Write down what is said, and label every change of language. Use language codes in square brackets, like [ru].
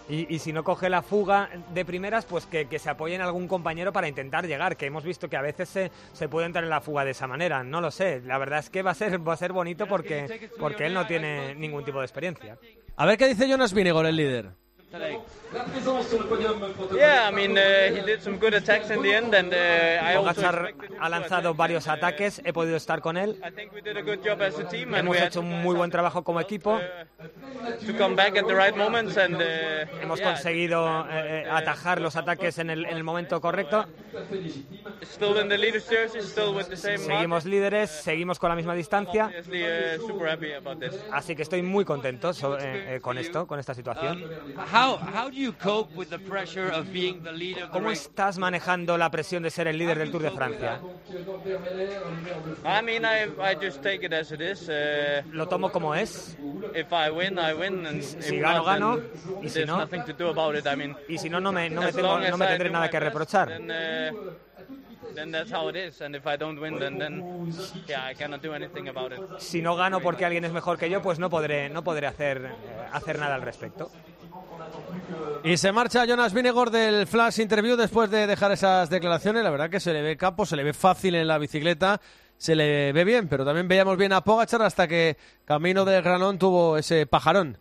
[es] Y si no coge la fuga de primeras, pues que se apoye en algún compañero para intentar llegar, que hemos visto que a veces se puede entrar en la fuga de esa manera, no lo sé. La verdad es que va a ser bonito porque él no tiene ningún tipo de experiencia. A ver qué dice Jonas Vingegaard, el líder. [en] today. Yeah, I mean, he did some good attacks in the end, and I also expected [es] ha lanzado varios ataques. He podido estar con él. [en] I think we did a good job as a team. [es] Hemos hecho un muy buen trabajo como equipo. [en] To come back at the right moments, and [es] hemos conseguido atajar los ataques en el momento correcto. [en] Still in the leaders' jerseys, still with the same. [es] Seguimos líderes, seguimos con la misma distancia. [en] Super happy about this. [es] Así que estoy muy contento con esto, con esta situación. [en] How do you cope with the pressure of being the leader? [es] ¿Cómo estás manejando la presión de ser el líder del Tour de Francia? [en] I mean, I just take it as it is. [es] Lo tomo como es. [en] If I win, I win, and [es] si gano, gano. Y si no, [en] nothing to do about it. I mean, [es] y si no, no me tendré nada que reprochar. [en] Then that's how it is, and if I don't win, then yeah, I cannot do anything about it. [es] Si no gano porque alguien es mejor que yo, pues no podré hacer nada al respecto. Y se marcha Jonas Vingegaard del Flash Interview después de dejar esas declaraciones. La verdad que se le ve capo, se le ve fácil en la bicicleta, se le ve bien, pero también veíamos bien a Pogacar hasta que camino del Granón tuvo ese pajarón,